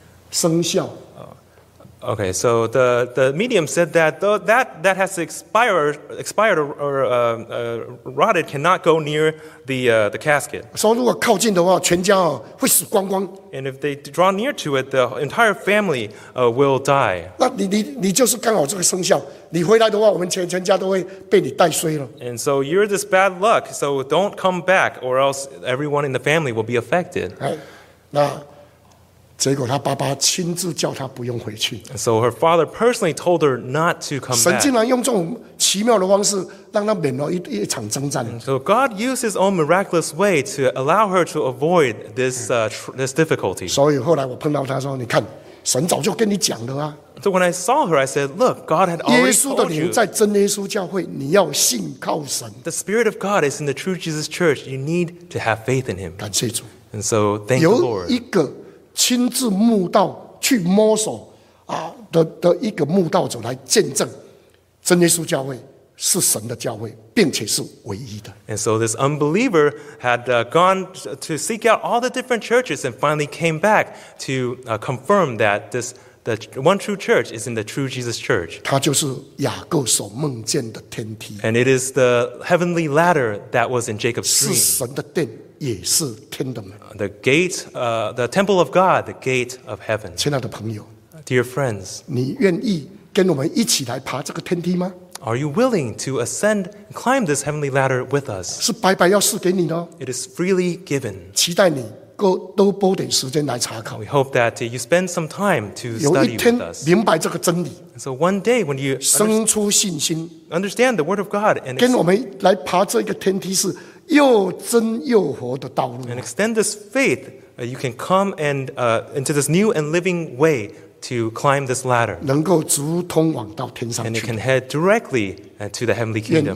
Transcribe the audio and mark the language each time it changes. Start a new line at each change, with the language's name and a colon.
English: 生效, oh, okay, so the medium said that that has expired or rotted cannot go near the casket.
Chinese: 说如果靠近的话, 全家哦, 会死光光,
English: and if they draw near to it, the entire family will die.
Chinese: 那你就是刚好这个生效, 你回来的话, 我们全家都会被你带衰了,
English: and so you're this bad luck, so don't come back or else everyone in the family will be affected.
Chinese: 那, 结果他爸爸亲自叫他不用回去,
English: so her father personally told her not to come back.
Chinese: 神竟然用这种奇妙的方式让他免了一场征战,
English: so God used his own miraculous way to allow her to avoid this, this difficulty.
Chinese: 所以后来我碰到他说, 你看, 神早就跟你讲了啊,
English: so when I saw her, I said, look, God had already told you.
Chinese: 耶稣的灵在真耶稣教会, 你要信靠神,
English: the Spirit of God is in the true Jesus Church. You need to have faith in him.
Chinese: 感谢主,
English: and so thank the Lord.
Chinese: 有一个, 亲自墓道去摸索的一个墓道者来见证真耶稣教会是神的教会并且是唯一的,
English: and so this unbeliever had gone to seek out all the different churches and finally came back to confirm that this the one true church is in the true Jesus church.
Chinese: 它就是雅各所梦见的天梯,
English: and it is the heavenly ladder that was in Jacob's dream.
Chinese: 是神的殿, 也是天的门,
English: the gate, the temple of God, the gate of heaven.
Chinese: 亲爱的朋友,
English: dear friends,
Chinese: 你愿意跟我们一起来爬这个天梯吗?
English: Are you willing to ascend and climb this heavenly ladder with us?
Chinese: 是白白要赐给你的,
English: it is freely given.
Chinese: 期待你多拨点时间来查考,
English: we hope that you spend some time to study with us.
Chinese: 明白这个真理,
English: so one day when you
Chinese: 生出信心,
English: understand the word of God and
Chinese: 跟我们来爬这个天梯是 又真又活的道路,
English: and extend this faith, you can come and into this new and living way to climb this ladder.
Chinese: 能够直通往到天上去。
English: And it can head directly to the heavenly kingdom.